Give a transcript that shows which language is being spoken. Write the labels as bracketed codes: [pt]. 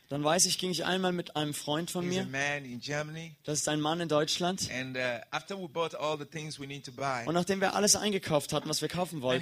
[de] Dann weiß ich, ging ich einmal mit einem Freund von mir. [en] He's a man in Germany. [de] Das ist ein Mann in Deutschland. [en] And, after we bought all the things we need to buy, [de] und nachdem wir alles eingekauft hatten, was wir kaufen wollten,